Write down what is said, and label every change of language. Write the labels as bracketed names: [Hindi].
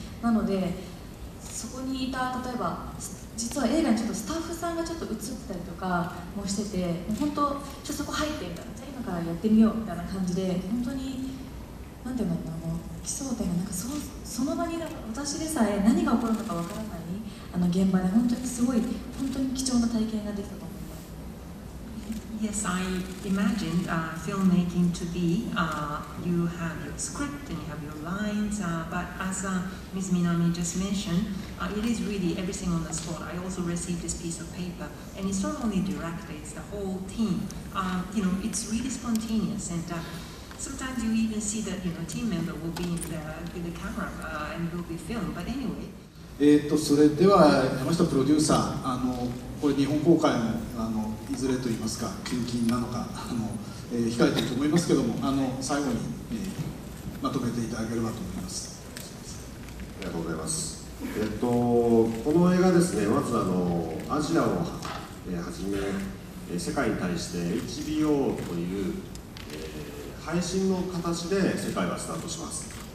[Japanese] なのでそこにいた、例えば実は映画にちょっとスタッフさんがちょっと映ってたりとかもしてて、もう本当ちょっとそこ入ってみたいな、じゃあ今からやってみようみたいな感じで、本当になんていうのかな、奇想天外、なんか その場に私でさえ何が起こるのかわからない、現場で本当にすごい、本当に貴重な体験ができたと思います。 [English] Yes, I imagined filmmaking to be you have your script and you have your lines, but as Ms. Minami just mentioned, it is really everything on the spot. I also received this piece of paper, and it's not only director, it's the whole team. It's really spontaneous, and sometimes you even see that a team member will be with the camera and will be filmed, but anyway. [Japanese] それでは山下プロデューサー、これ日本公開もいずれといいますか近々なのか控えていると思いますけども、最後に、まとめていただければと思います。ありがとうございます。この映画ですね、まずアジアをはじめ世界に対して HBO という、配信の形で世界はスタートします。